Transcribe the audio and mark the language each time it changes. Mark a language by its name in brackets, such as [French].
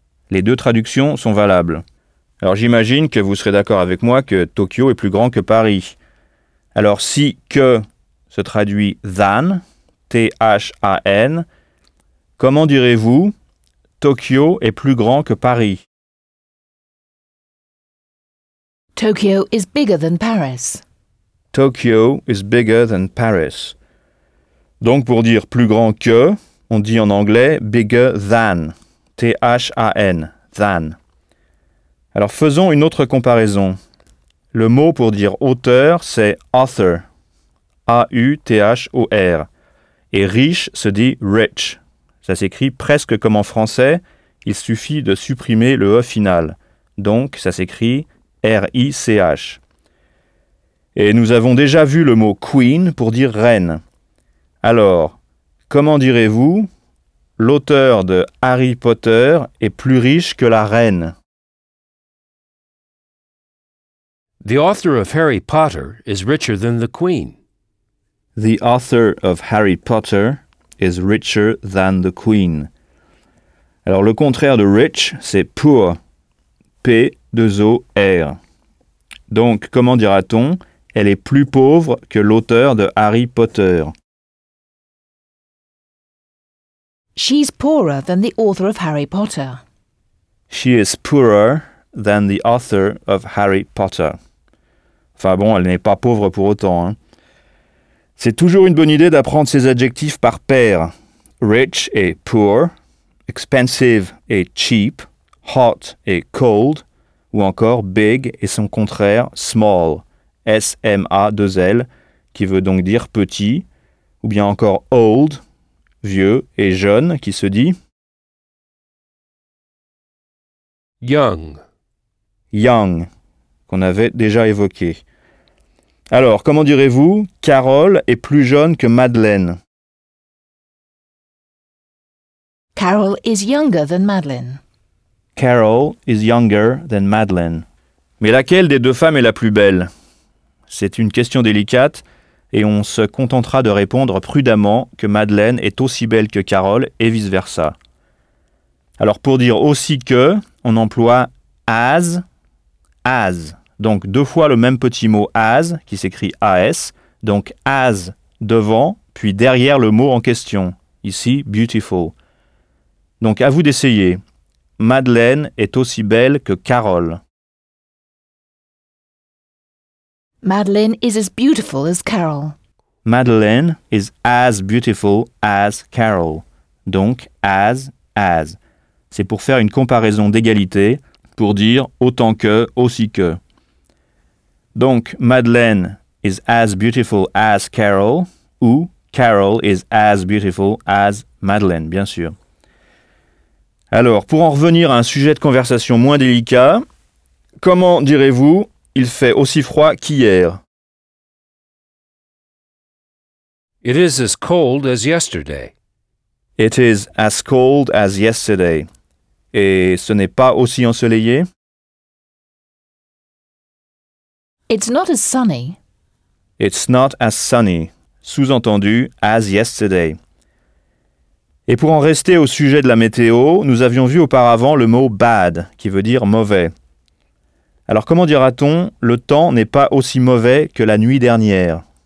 [French] Les deux traductions sont valables. Alors j'imagine que vous serez d'accord avec moi que Tokyo est plus grand que Paris. Alors si que se traduit than, T-H-A-N, comment direz-vous Tokyo est plus grand que Paris? [English] Tokyo is bigger than Paris. Tokyo is bigger than Paris. [French] Donc pour dire plus grand que, on dit en anglais [English] bigger than. [French] T-H-A-N, than. Alors faisons une autre comparaison. Le mot pour dire auteur, c'est author. A-U-T-H-O-R. Et riche se dit rich. Ça s'écrit presque comme en français. Il suffit de supprimer le E final. Donc ça s'écrit R-I-C-H. Et nous avons déjà vu le mot queen pour dire reine. Alors, comment direz-vous l'auteur de Harry Potter est plus riche que la reine? [English] The author of Harry Potter is richer than the queen. The author of Harry Potter is richer than the queen. [French] Alors, le contraire de rich, c'est poor. P-2-O-R. Donc, comment dira-t-on « Elle est plus pauvre que l'auteur de Harry Potter. » [English] She's poorer than the author of Harry Potter. She is poorer than the author of Harry Potter. [French] Enfin bon, elle n'est pas pauvre pour autant. Hein. C'est toujours une bonne idée d'apprendre ces adjectifs par paire. Rich et poor, expensive et cheap, hot et cold, ou encore big et son contraire small, S-M-A-2-L, qui veut donc dire petit, ou bien encore old, vieux et jeune qui se dit [English] young. [French] Young, qu'on avait déjà évoqué. Alors, comment direz-vous, Carole est plus jeune que Madeleine? [English] Carole is younger than Madeleine. Carole is younger than Madeleine. [French] Mais laquelle des deux femmes est la plus belle? C'est une question délicate et on se contentera de répondre prudemment que Madeleine est aussi belle que Carole et vice-versa. Alors, pour dire aussi que, on emploie as, as. Donc deux fois le même petit mot [English] as, [French] qui s'écrit as, donc as devant, puis derrière le mot en question, ici beautiful. Donc à vous d'essayer. Madeleine est aussi belle que Carole. [English] Madeleine is as beautiful as Carole. Madeleine is as beautiful as Carole. [French] Donc as, as. C'est pour faire une comparaison d'égalité, pour dire autant que, aussi que. Donc, [English] Madeleine is as beautiful as Carol [French] ou Carol is as beautiful as Madeleine, bien sûr. Alors, pour en revenir à un sujet de conversation moins délicat, comment direz-vous il fait aussi froid qu'hier? [English] It is as cold as yesterday. It is as cold as yesterday. [French] Et ce n'est pas aussi ensoleillé? [English] It's not as sunny. It's not as sunny. [French] Sous-entendu, [English] as yesterday. [French] Et pour en rester au sujet de la météo, nous avions vu auparavant le mot bad, qui veut dire mauvais. Alors comment dira-t-on, le temps n'est pas aussi mauvais que la nuit dernière?